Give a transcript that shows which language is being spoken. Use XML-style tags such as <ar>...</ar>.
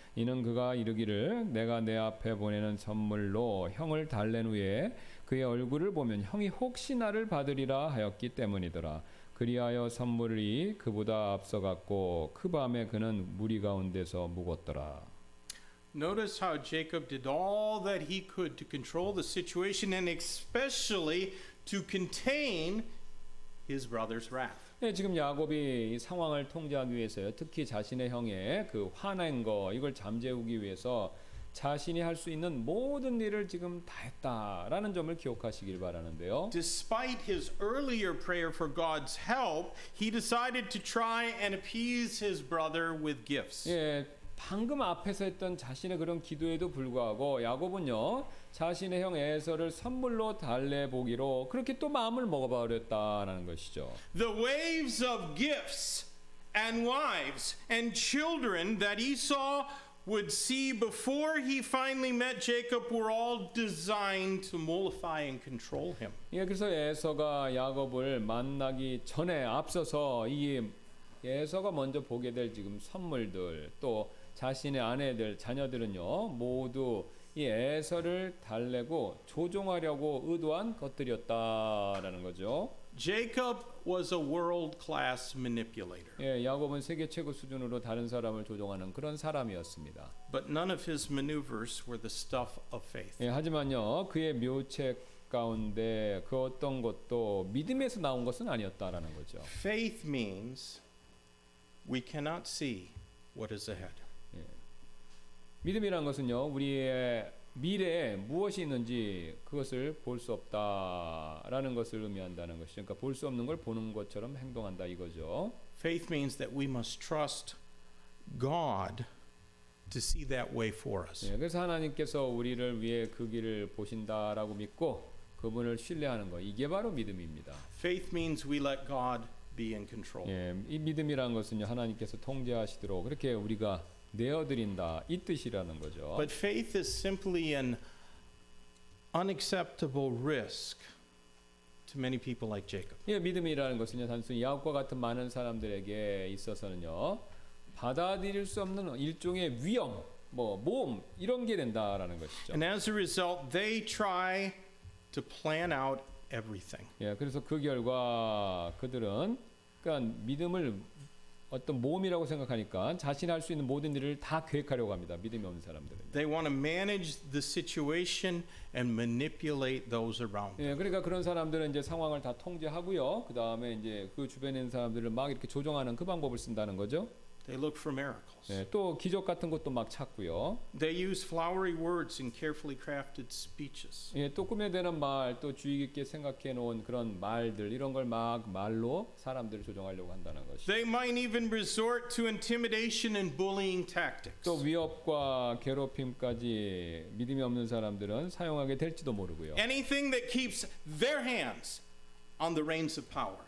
<ko>이는 그가 이르기를 내가 내 앞에 보내는 선물로 형을 달랜 후에 그의 얼굴을 보면 형이 혹시 나를 받으리라 하였기 때문이더라. 그리하여 선물이 그보다 앞서갔고 그 밤에 그는 무리 가운데서 묵었더라.</ko> <en>Notice how Jacob did all that he could to control the situation and especially to contain his brother's wrath.</en> <ko>예, 지금 야곱이 이 상황을 통제하기 위해서요. 특히 자신의 형의 그 화낸 거 이걸 잠재우기 위해서 자신이 할 수 있는 모든 일을 지금 다 했다라는 점을 기억하시길 바라는데요.</ko> <en>Despite his earlier prayer for God's help, he decided to try and appease his brother with gifts.</en> <ko>예, 방금 앞에서 했던 자신의 그런 기도에도 불구하고 야곱은요 자신의 형 에서를 선물로 달래 보기로 그렇게 또 마음을 먹어버렸다라는 것이죠.</ko> <en>The waves of gifts and wives and children that Esau would see before he finally met Jacob were all designed to mollify and control him.</en> <ko>예, 그래서 에서가 야곱을 만나기 전에 앞서서 이 에서가 먼저 보게 될 지금 선물들 또 자신의 아내들 자녀들은요 모두 이 에서를 달래고 조종하려고 의도한 것들이었다라는 거죠.</ko> <en>Jacob was a world-class manipulator.</en> <ko>예, 야곱은 세계 최고 수준으로 다른 사람을 조종하는 그런 사람이었습니다.</ko> <en>But none of his maneuvers were the stuff of faith.</en> <ko>예, 하지만요 그의 묘책 가운데 그 어떤 것도 믿음에서 나온 것은 아니었다라는 거죠.</ko> <en>Faith means we cannot see what is ahead.</en> <ko>예, 믿음이란 것은요 우리의 미래에 무엇이 있는지 그것을 볼 수 없다라는 것을 의미한다는 것이죠. 그러니까 볼 수 없는 걸 보는 것처럼 행동한다 이거죠.</ko> <en>Faith means that we must trust God to see that way for us.</en> <ko>예, 그래서 하나님께서 우리를 위해 그 길을 보신다라고 믿고 그분을 신뢰하는 것 이게 바로 믿음입니다.</ko> <en>Faith means we let God be in control.</en> <ko>예, 이 믿음이란 것은요 하나님께서 통제하시도록 그렇게 우리가 내어드린다 이 뜻이라는 거죠.</ko> <en>But faith is simply an unacceptable risk to many people like Jacob.</en> <ko>예, 믿음이라는 것은요 단순히 야곱과 같은 많은 사람들에게 있어서는요 받아들일 수 없는 일종의 위험, 뭐 모험 이런 게 된다라는 것이죠.</ko> <en>And as a result, they try to plan out everything.</en> <ko>예, 그래서 그 결과 그들은 그러니까 믿음을 어떤 모험이라고 생각하니까 자신이 할 수 있는 모든 일을 다 계획하려고 합니다. 믿음이 없는 사람들은.</ko> <en>They want to manage the situation and manipulate those around them.</en> <ko>예, 그러니까 그런 사람들은 이제 상황을 다 통제하고요. 그다음에 이제 그 주변에 있는 사람들을 막 이렇게 조종하는 그 방법을 쓴다는 거죠.</ko> <en>They look for miracles.</en> <ko>예, 또 기적 같은 것도 막 찾고요.</ko> <en>They use flowery words and carefully crafted speeches.</en> <ko>예, 또 꿈에 대한 말, 또 주의 깊게 생각해 놓은 그런 말들 이런 걸 막 말로 사람들을 조종하려고 한다는 것이.</ko> <en>They might even resort to intimidation and bullying tactics.</en> <ko>또 위협과 괴롭힘까지 믿음이 없는 사람들은 사용하게 될지도 모르고요.</ko> <en>Anything that keeps their hands on the reins of power.</en>